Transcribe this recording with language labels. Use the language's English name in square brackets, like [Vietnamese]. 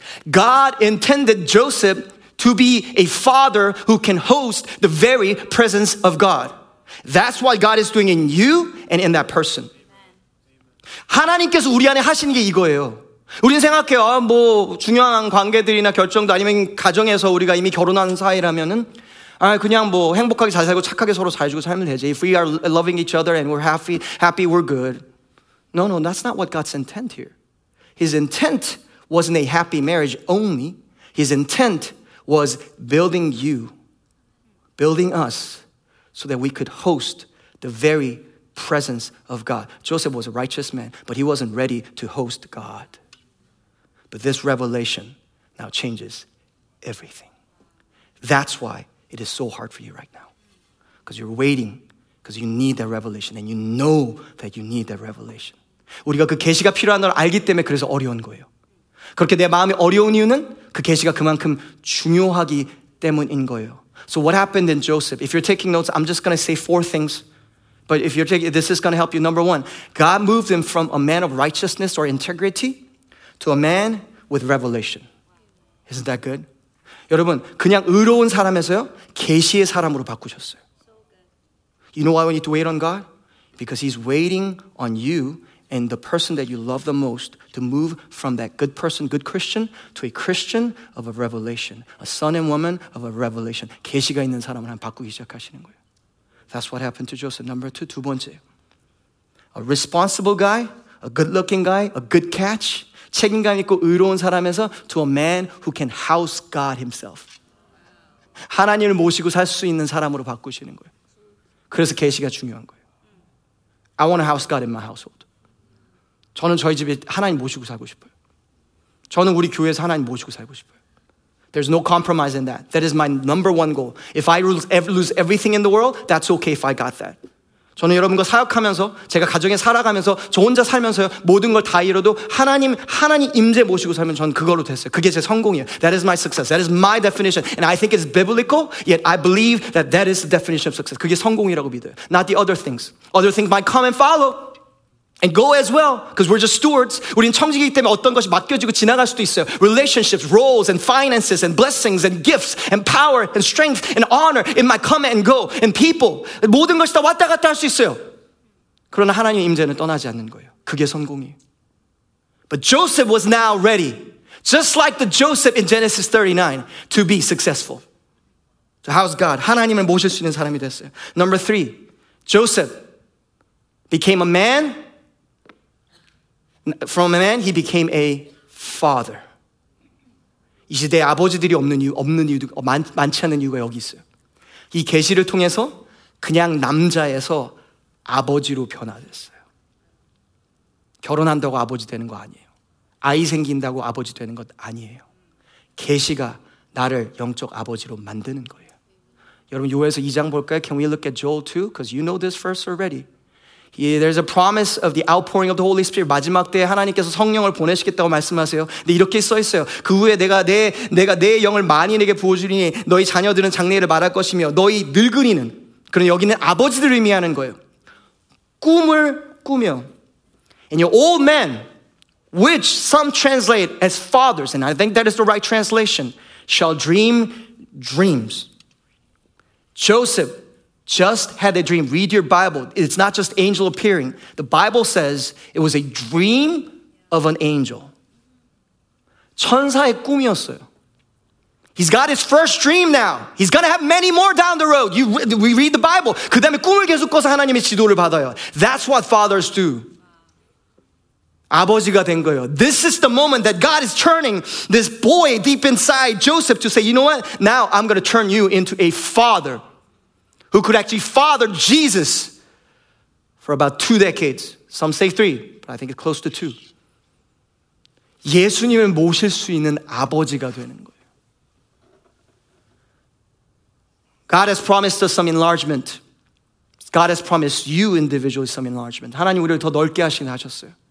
[English] God intended Joseph to be a father who can host the very presence of God. That's what God is doing in you and in that person. [Korean] 하나님께서 우리 안에 하시는 게 이거예요. 우린 생각해요. 뭐 중요한 관계들이나 결정도 아니면 가정에서 우리가 이미 결혼한 사이라면은 아 그냥 뭐 행복하게 잘 살고 착하게 서로 잘 주고 살면 되지. [English] If we are loving each other and we're happy, we're good. No, no, that's not what God's intent here. His intent wasn't a happy marriage only. His intent was building you, building us, so that we could host the very presence of God. Joseph was a righteous man, but he wasn't ready to host God. But this revelation now changes everything. That's why it is so hard for you right now. Because you're waiting, because you need that revelation, and you know that you need that revelation. [Korean] 우리가 그 계시가 필요한 걸 알기 때문에 그래서 어려운 거예요. 그렇게 내 마음이 어려운 이유는 그 계시가 그만큼 중요하기 때문인 거예요. [English] So what happened in Joseph? If you're taking notes, I'm just going to say four things. But if you're taking, this is going to help you. Number one, God moved him from a man of righteousness or integrity to a man with revelation. Isn't that good? [Korean] 여러분, 그냥 의로운 사람에서요, 계시의 사람으로 바꾸셨어요. [English] You know why we need to wait on God? Because he's waiting on you and the person that you love the most to move from that good person, good Christian, to a Christian of a revelation, a son and woman of a revelation. [Korean] 계시가 있는 사람을 한 바꾸기 시작하시는 거예요. [English] That's what happened to Joseph. Number two, [Korean] 두 번째. [English] A responsible guy, a good-looking guy, a good catch, [Korean] 책임감 있고 의로운 사람에서 [English] to a man who can house God himself. [Korean] 하나님을 모시고 살 수 있는 사람으로 바꾸시는 거예요. 그래서 계시가 중요한 거예요. [English] I want to house God in my household. [Korean] 저는 저희 집에 하나님 모시고 살고 싶어요. 저는 우리 교회에서 하나님 모시고 살고 싶어요. [English] There's no compromise in that. That is my number one goal. If I lose everything in the world, that's okay if I got that. [Korean] 저는 여러분과 사역하면서 제가 가정에 살아가면서 저 혼자 살면서요 모든 걸 다 잃어도 하나님 임재 모시고 살면 저는 그걸로 됐어요. 그게 제 성공이에요. [English] That is my success. That is my definition. And I think it's biblical, yet I believe that that is the definition of success. [Korean] 그게 성공이라고 믿어요. [English] Not the other things. Other things might come and follow. And go as well, because we're just stewards. [Korean] 우린 청지기 때문에 어떤 것이 맡겨지고 지나갈 수도 있어요. [English] Relationships, roles, and finances, and blessings, and gifts, and power, and strength, and honor, it might come and go, and people. [Korean] 모든 것이 다 왔다 갔다 할 수 있어요. 그러나 하나님의 임재는 떠나지 않는 거예요. 그게 성공이에요. [English] But Joseph was now ready, just like the Joseph in Genesis 39, to be successful. So how's God? [Korean] 하나님을 모실 수 있는 사람이 됐어요. [English] Number three, Joseph became a man. From a man, he became a father. [Korean] 이 시대에 아버지들이 없는 이유도 많지 않은 이유가 여기 있어요. 이 계시를 통해서 그냥 남자에서 아버지로 변화됐어요. 결혼한다고 아버지 되는 거 아니에요. 아이 생긴다고 아버지 되는 것 아니에요. 계시가 나를 영적 아버지로 만드는 거예요. 여러분, 요에서 2장 볼까요? [English] Can we look at Joel 2? Because you know this verse already. Yeah, there's a promise of the outpouring of the Holy Spirit. [Korean] 마지막 때에 하나님께서 성령을 보내시겠다고 말씀하세요. 근데 이렇게 써 있어요. 그 후에 내가 내 영을 만인에게 부어주리니 너희 자녀들은 장래를 말할 것이며 너희 늙은이는 그런 여기는 아버지들을 의미하는 거예요. 꿈을 꾸며 [English] And your old men, which some translate as fathers, and I think that is the right translation, shall dream dreams. Joseph just had a dream. Read your Bible. It's not just angel appearing. The Bible says it was a dream of an angel. [Korean] 천사의 꿈이었어요. [English] He's got his first dream now. He's going to have many more down the road. We read the Bible. [Korean] 그 다음에 꿈을 계속 꿔서 하나님의 지도를 받아요. [English] That's what fathers do. [Korean] 아버지가 된 거예요. [English] This is the moment that God is turning this boy deep inside Joseph to say, you know what? Now I'm going to turn you into a father. Who could actually father Jesus for about two decades. Some say three, but I think it's close to two. [Korean] 예수님을 모실 수 있는 아버지가 되는 거예요. [English] God has promised us some enlargement. God has promised you individually some enlargement. [Korean] 하나님 우리를 더 넓게 하시긴 하셨어요.